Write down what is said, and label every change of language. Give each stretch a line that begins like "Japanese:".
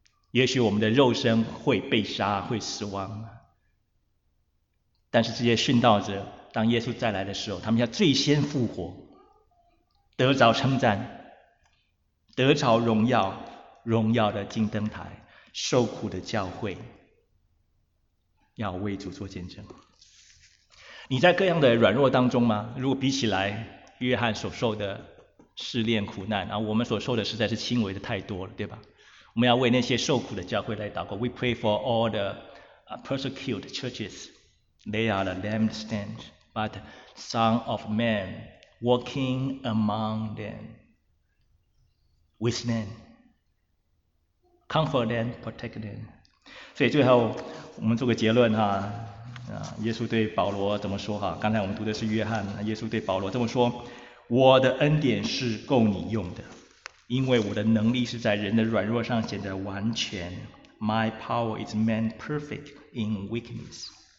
Chinese: 也许我们的肉身会被杀，会死亡，但是这些殉道者，当耶稣再来的时候，他们要最先复活，得着称赞，得着荣耀，荣耀的金灯台，受苦的教会，要为主做见证。你在各样的软弱当中吗？如果比起来约翰所受的试炼苦难，我们所受的实在是轻微的太多了，对吧？我们要为那些受苦的教会来祷告。
English: We pray for all the persecuted churches. They are the lampstand, but Son of Man walking among them, with them, comfort them, protect them.
Chinese: 所以最后我们做个结论哈。耶稣对保罗怎么说哈？刚才我们读的是约翰，耶稣对保罗这么说：我的恩典是够你用的，因为我的能力是在人的软弱上显得完全。
English: My power is made perfect in weakness.